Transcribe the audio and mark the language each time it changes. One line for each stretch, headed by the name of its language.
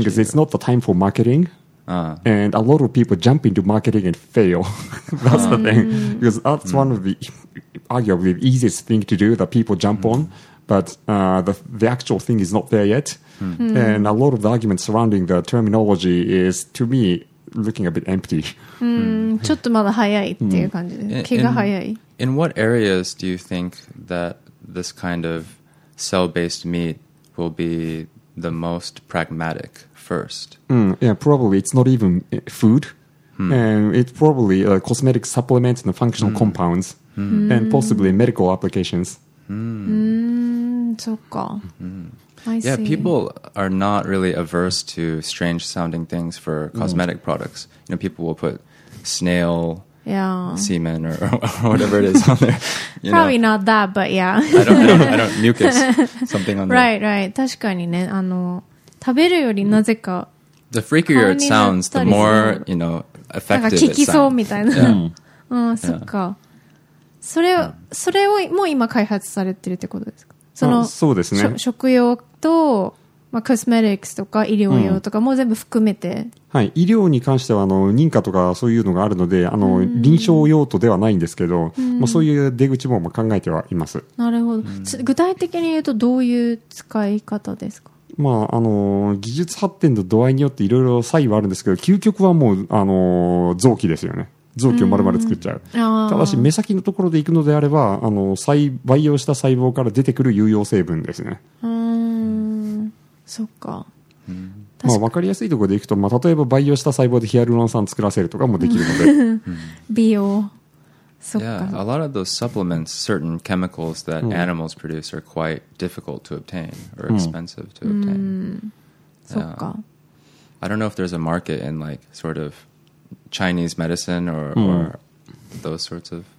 English: The thing is, it's not the time for marketing. And a lot of people jump into marketing and fail. That's the thing. Because that's one of the arguably the easiest thing to do that people jump on. But the actual thing is not there yet. And a lot of the arguments surrounding the terminology is, to me,looking a bit empty.
Japanese: ちょっとまだ早いっていう感じで、毛が早い。
English: In what areas do you think that this kind of cell-based meat will be the most pragmatic first? Probably it's not even food. And it's probably cosmetic supplements and functional compounds. and possibly medical applications.
Japanese: そっか。
English: Yeah, people are not really averse to strange sounding things for cosmetic products. You know, people will put snail semen or whatever it is on there. Probably not that, but yeah. I don't mucus something on there. Right, right.
Japanese: 確かにね、あの、食べるよりなぜか。
English: The freakier it sounds, the more, you know, effective it sounds.
Japanese: なんか効きそうみたいな。うん、そっか。それをもう今開発されてるってことですか？その、そうですね。食用と、まあ、コスメティックスとか医療用とかも全部含めて、うん、はい、医療に関してはあの認可とかそういうのがあるので、あの、うん、臨床用途ではないんですけど、うん、まあ、そういう出口も考えてはいます。なるほど、うん、具体的に言うとどういう使い方ですか？まあ、あの技術発展の度合いによっていろいろ差異はあるんですけど、究極はもうあの臓器ですよね。臓器を丸々作っちゃう、うん、ただし目先のところで行くのであれば、あの培養した細胞から出てくる有用成分ですね。うーん、そっか、うん、まあ、分かりやすいところでいくと、まあ、例えば培養した細胞でヒアルロン酸作らせるとかもできるので、うん、美容、そっか。
English: Yeah, a lot of those supplements, certain chemicals that animals produce are quite difficult to obtain or expensive to obtain.
Japanese: そっか。
English: I don't know if there's a market in like sort of Chinese medicine or those sorts of.